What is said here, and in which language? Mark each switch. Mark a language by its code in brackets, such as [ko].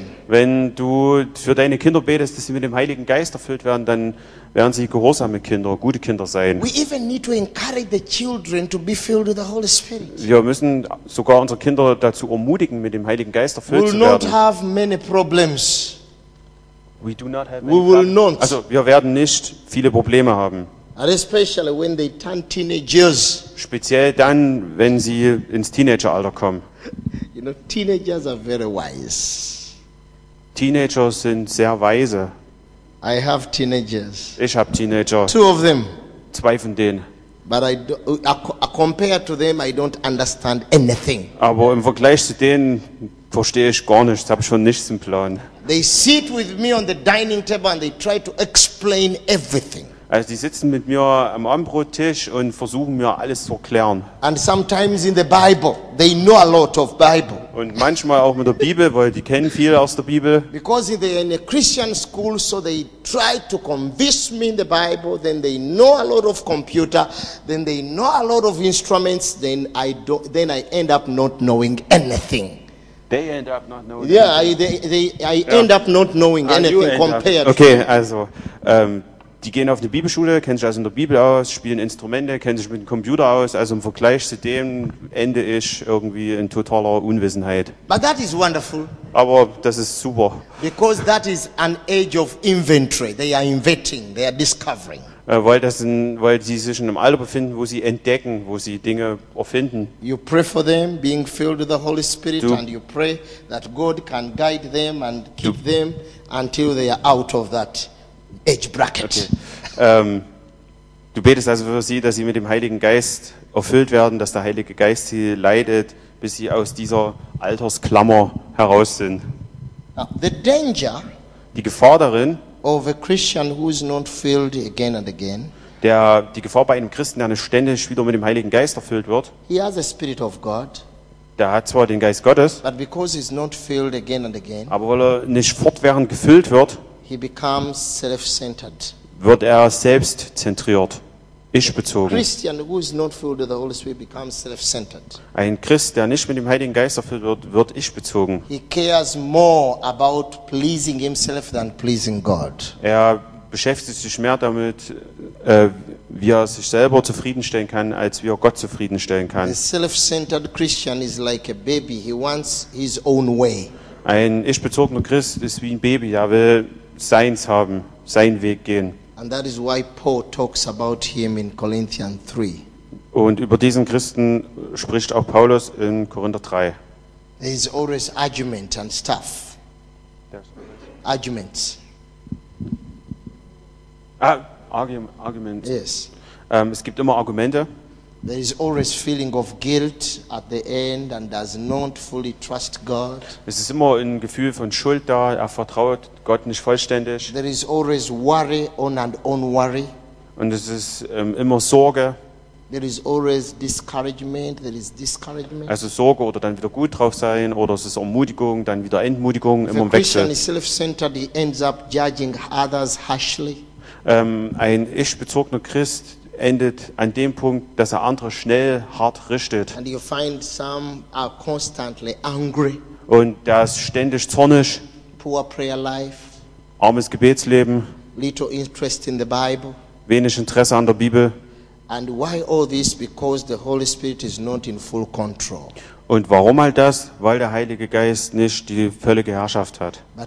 [de] Wenn du für deine Kinder betest, dass sie mit dem Heiligen Geist erfüllt werden, dann werden sie gehorsame Kinder, gute Kinder sein. Wir müssen sogar unsere Kinder dazu ermutigen, mit dem Heiligen Geist erfüllt zu werden. [en] We will not have many problems. We do not have many problems. [de] Also wir werden nicht viele Probleme haben. [en] And especially when they turn teenagers. [de] Speziell dann, wenn sie ins Teenageralter kommen. [en] You know, teenagers are very wise. [de] Teenagers sind sehr weise. [en] I have teenagers. [de] Ich habe Teenager. [en] Two of them. [de] Zwei von denen. [en] But compared to them, I don't understand anything. [de] Aber im Vergleich zu denen verstehe ich gar nichts. Habe schon nichts im Plan. [en] They sit with me on the dining table and they try to explain everything. [de] Also die sitzen mit mir am Abendbrottisch und versuchen mir alles zu erklären. [en] And sometimes in the Bible, they know a lot of Bible. [de] Und manchmal auch mit der Bibel, weil die kennen viel aus der Bibel. [en] Because they are in a Christian school, so they try to convince me in the Bible, then they know a lot of computer, then they know a lot of instruments, then I end up not knowing anything. They end up not knowing. Yeah, end up not knowing anything compared. [de] Okay, also die gehen auf eine Bibelschule, kennen sich also in der Bibel aus, spielen Instrumente, kennen sich mit dem Computer aus. Also im Vergleich zu dem ende ich irgendwie in totaler Unwissenheit. [en] But that is wonderful. [de] Aber das ist super. [en] Because that is an age of inventory. They are inventing, they are discovering. [de] Weil sie sich in einem Alter befinden, wo sie entdecken, wo sie Dinge erfinden. [en] You pray for them, being filled with the Holy Spirit, and you pray that God can guide them and keep them until they are out of that. Okay. [de] Du betest also für sie, dass sie mit dem Heiligen Geist erfüllt werden, dass der Heilige Geist sie leitet, bis sie aus dieser Altersklammer heraus sind. [en] The danger, [de] die Gefahr darin, [en] of a Christian who is not filled again and again, [de] die Gefahr bei einem Christen, der nicht ständig wieder mit dem Heiligen Geist erfüllt wird, [en] he has the Spirit of God, [de] der hat zwar den Geist Gottes, [en] but because he's not filled again and again, [de] aber weil er nicht fortwährend gefüllt wird, [en] he becomes self-centered. [de] Wird selbstzentriert, ich-bezogen. [en] Christian who is not filled with the Holy Spirit becomes self-centered. [de] Ein Christ, der nicht mit dem Heiligen Geist erfüllt wird, wird ich-bezogen. [en] He cares more about pleasing himself than pleasing God. [de] Er beschäftigt sich mehr damit, wie er sich selber zufriedenstellen kann, als wie er Gott zufriedenstellen kann. [en] A self-centered Christian is like a baby. He wants his own way. [de] Ein ich-bezogener Christ ist wie ein Baby, der will seins haben, seinen Weg gehen. [en] And that is why Paul talks about him in Corinthians 3. [de] Und über diesen Christen spricht auch Paulus in Korinther 3. [en] There is always argument and stuff. Arguments. Arguments. Yes. [de] Es gibt immer Argumente. [en] There is always feeling of guilt at the end and does not fully trust God. [de] Es ist immer ein Gefühl von Schuld da, er vertraut Gott nicht vollständig. [en] There is always worry on and on worry. [de] Und es ist immer Sorge. [en] There is always discouragement, there is discouragement. [de] Also Sorge oder dann wieder gut drauf sein oder es ist Ermutigung, dann wieder Entmutigung, immer im Wechsel. [en] If a Christian is self-centered, he ends up judging others harshly. [de] Ein ich-bezogener Christ endet an dem Punkt, dass er andere schnell hart richtet. [en] And you find some are constantly angry. [de] Und der ist ständig zornig. [en] Poor prayer life. [de] Armes Gebetsleben. [en] Little interest in the Bible. [de] Wenig Interesse an der Bibel. [en] And why all this? Because the Holy Spirit is not in full control. [de] Und warum halt das? Weil der Heilige Geist nicht die völlige Herrschaft hat.